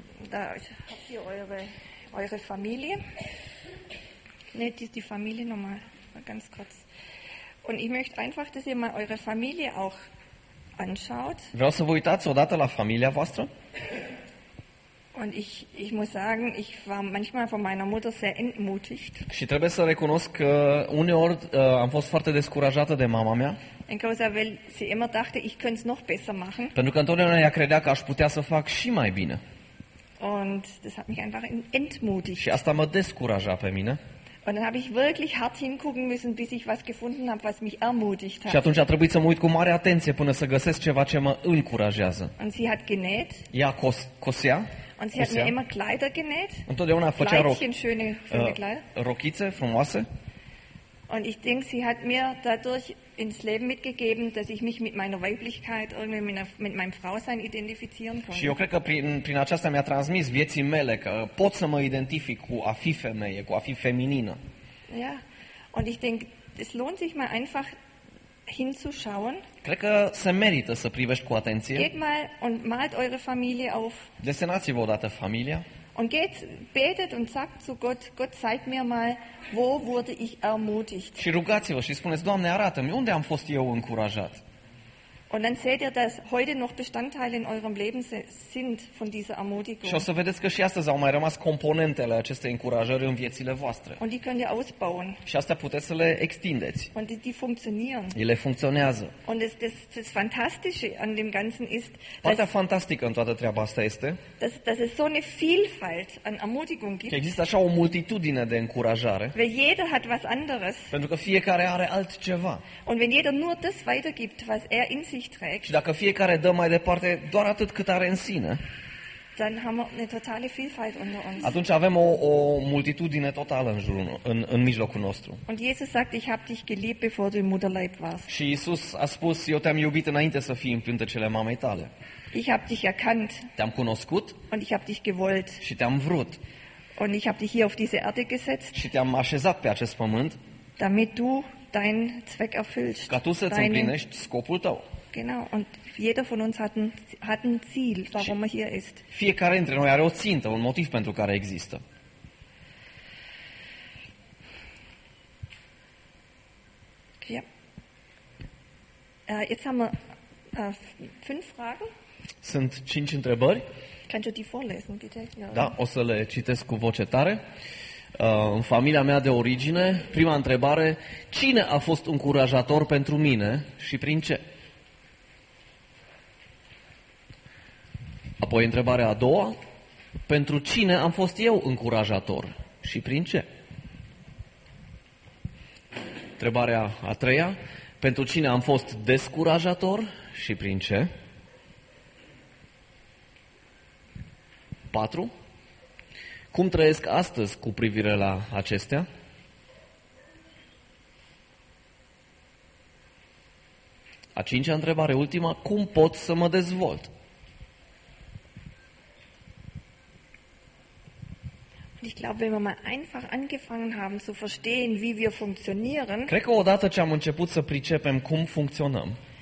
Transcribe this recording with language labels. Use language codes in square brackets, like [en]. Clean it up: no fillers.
[de] Da, habt ihr eure Familie? Ne, die Familie nochmal, ganz kurz. Und ich möchte einfach, dass ihr mal eure Familie auch anschaut. [ro] Vreau să vă uitați odată la familia voastră. [de] Und ich muss sagen, ich war manchmal von meiner Mutter sehr entmutigt. [ro] Și trebuie să recunosc că uneori am fost foarte descurajată de mama mea. [de] In causa, weil sie immer dachte, ich könnte es noch besser machen. [ro] Pentru că întotdeauna ea credea că aș putea să fac și mai bine. [de] Und das hat mich einfach entmutigt. [ro] Și asta m-a descurajat pe mine. [de] Und dann habe ich wirklich hart hingucken müssen, bis ich was gefunden habe, was mich ermutigt hat. [ro] Și atunci a trebuit să mă uit cu mare atenție până să găsesc ceva ce mă încurajează. [de] Und sie hat genäht. [ro] Ea cosea. [de] Und sie hat mir immer Kleider genäht. [ro] Întotdeauna făcea rochițe frumoase. [de] Und ich denke, sie hat mir dadurch ins Leben mitgegeben, dass ich mich mit meiner Weiblichkeit irgendwie mit meinem Frausein identifizieren konnte. [ro] Și eu cred că prin aceasta mi-a transmis vieții mele că pot să mă identific cu a fi femeie, cu a fi feminină. [de] Ja, und ich denke, es lohnt sich mal einfach hinzuschauen. [ro] Cred că se merită să privești cu atenție. [de] Geht mal und malt eure Familie auf. [ro] Desenați-vă odată familia. [de] Und geht, betet und sagt zu Gott, Gott zeig mir mal, wo wurde ich ermutigt. [ro] Și rugați-vă și spuneți, Doamne, arată-mi unde am fost eu încurajat. [de] Und dann seht ihr, dass heute noch Bestandteile in eurem Leben sind von dieser Ermutigung. [ro] Și o să vedeți că și astăzi au mai rămas componentele acestei încurajări în viețile voastre. [de] Und die könnt ihr ausbauen. [ro] Și astea puteți să le extindeți. [de] Und die funktionieren. [ro] Ele funcționează. [de] Und das Fantastische an dem Ganzen ist, [ro] partea fantastică în toată treaba asta este, [de] dass es so eine Vielfalt an Ermutigung gibt. [ro] Că există așa o multitudine de încurajare. [de] Weil jeder hat was anderes. [ro] Pentru că fiecare are altceva. [de] Und wenn jeder nur das weitergibt, was er in sich trägt. [ro] Și dacă fiecare dă mai departe doar atât cât are în sine. [de] Dann haben wir eine totale Vielfalt unter uns. [ro] Atunci avem o multitudine totală în jurul în mijlocul nostru. [de] Und Jesus sagt, ich habe dich geliebt bevor du im Mutterleib warst. [ro] Și Iisus a spus, eu te-am iubit înainte să fii în pântecele mamei tale. [de] Ich habe dich erkannt. [ro] Te-am cunoscut. [de] Und ich habe dich gewollt. [ro] Și te-am vrut. [de] Und ich habe dich hier auf diese Erde gesetzt. [ro] Și te-am așezat pe acest pământ. [de] Damit du deinen Zweck erfüllst. [ro] Ca tu să-ți împlinești scopul tău. [de] Genau, und jeder von uns hat ein Ziel, warum er hier ist. [ro] Fiecare dintre noi are o țintă, un motiv pentru care există. [de] Ja. Jetzt haben wir 5 Fragen. [ro] Sunt 5 întrebări. [de] Kannst du die vorlesen, bitte? [ro] Da, o să le citesc cu voce tare. În familia mea de origine, prima întrebare, cine a fost încurajator pentru mine și prin ce? Apoi întrebarea a doua, pentru cine am fost eu încurajator și prin ce? Întrebarea a treia, pentru cine am fost descurajator și prin ce? 4. Cum trăiesc astăzi cu privire la acestea? 5-a întrebare, ultima, cum pot să mă dezvolt? [de] Ich glaube, wenn wir mal einfach angefangen haben zu verstehen, wie wir funktionieren. [ro] Cred că odată ce am început să pricepem cum funcționăm.